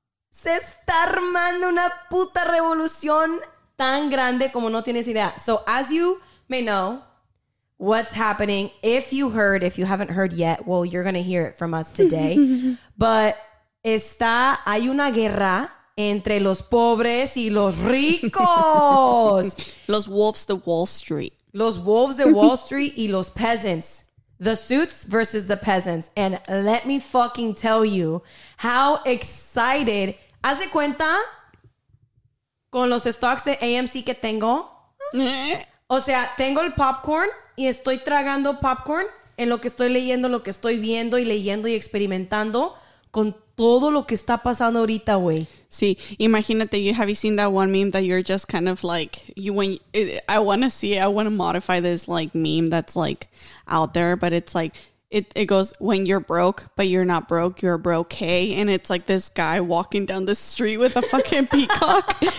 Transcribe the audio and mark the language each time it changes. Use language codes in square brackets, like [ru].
[es] Se está armando una puta revolución tan grande como no tienes idea. [en] So as you may know, what's happening, if you haven't heard yet, well, you're going to hear it from us today. But [es] hay una guerra entre los pobres y los ricos. Los wolves de Wall Street. Los wolves de Wall Street y los peasants. [en] The suits versus the peasants. And let me fucking tell you how excited. [es] Haz de cuenta con los stocks de AMC que tengo. O sea, tengo el popcorn y estoy tragando popcorn en lo que estoy leyendo, lo que estoy viendo y leyendo y experimentando con todo lo que está pasando ahorita, güey. Sí, imagínate, [en] have you seen that one meme that you're just kind of like, I want to see it, I want to modify this like meme that's like out there, but it's like, it goes, when you're broke, but you're not broke, you're broke, okay? And it's like this guy walking down the street with a fucking peacock.